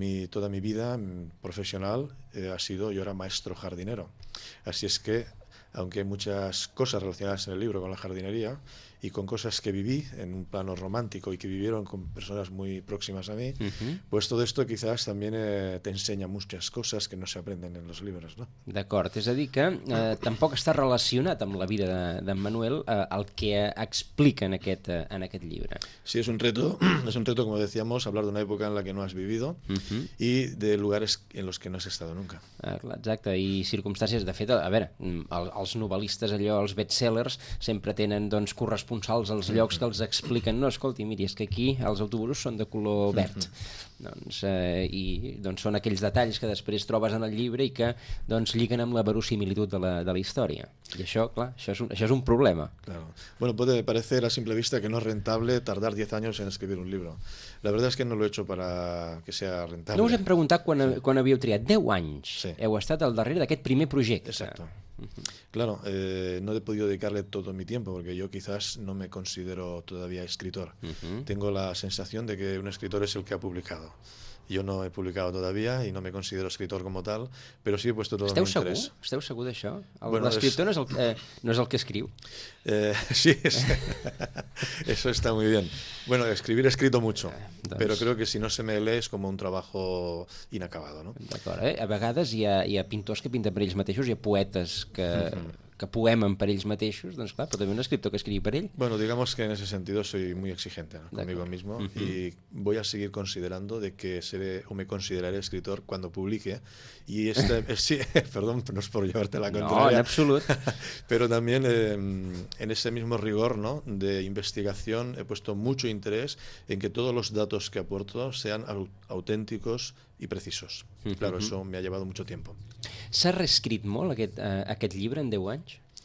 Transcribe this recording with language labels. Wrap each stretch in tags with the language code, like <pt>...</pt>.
<es>Toda mi vida profesional ha sido, yo era maestro jardinero, así es que aunque hay muchas cosas relacionadas en el libro con la jardinería y con cosas que viví en un plano romántico y que vivieron con personas muy próximas a mí, pues todo esto quizás también te enseña muchas cosas que no se aprenden en los libros, ¿no?</es> <ca>D'acord, és a dir que tampoc està relacionat amb la vida d'en Manuel el que explica en aquest llibre.</ca> <es>Sí, es un reto, como decíamos, hablar d'una època en la que no has vivido y de lugares en los que no has estado nunca.</es> <ca>Exacte, i circumstàncies, de fet, a veure, els novel·listes, allò, els bestsellers, sempre tenen, doncs, responsables als llocs que els expliquen, no, escolti, miri, és que aquí els autobusos són de color verd, doncs, i doncs són aquells detalls que després trobes en el llibre i que doncs lliguen amb la verosimilitud de la història, i això, clar, això és un problema.</ca> <es>Claro. Bueno, puede parecer a simple vista que no es rentable tardar 10 años en escribir un libro. La verdad es que no lo he hecho para que sea rentable.</es> <ca>No us hem preguntat quan havíeu triat 10 anys. Sí. Heu estat al darrere d'aquest primer projecte.</ca> <es>Exacto. Claro, no he podido dedicarle todo mi tiempo porque yo quizás no me considero todavía escritor. Tengo la sensación de que un escritor es el que ha publicado. Yo no he publicado todavía y no me considero escritor como tal, pero sí he puesto todo mi interés.</es> <ca>Segur? ¿Esteu segur d'això? Bueno, l'escriptor no és el que escriu.</ca> <es>Sí, eso está muy bien. Bueno, escribir he escrito mucho, pero creo que si no se me lee es como un trabajo inacabado, ¿no?</es> <ca>D'acord, a vegades hi ha pintors que pinten per ells mateixos, hi ha poetes que que poemen per ells mateixos, doncs clar, però també un escriptor que escrigui per ell.</ca> <es>Bueno, digamos que en ese sentido soy muy exigente, ¿no? Conmigo mismo, y voy a seguir considerando de que seré o me consideraré escritor cuando publique, y este, sí, perdón, no es por llevarte la contraria.</es> <ca>No, en absolut.</ca> <es>Pero también en ese mismo rigor, ¿no?, de investigación, he puesto mucho interés en que todos los datos que aporto sean auténticos y precisos. Claro, eso me ha llevado mucho tiempo.</es> <ca>¿S'ha reescrit molt aquest, aquest llibre en 10 anys?</ca>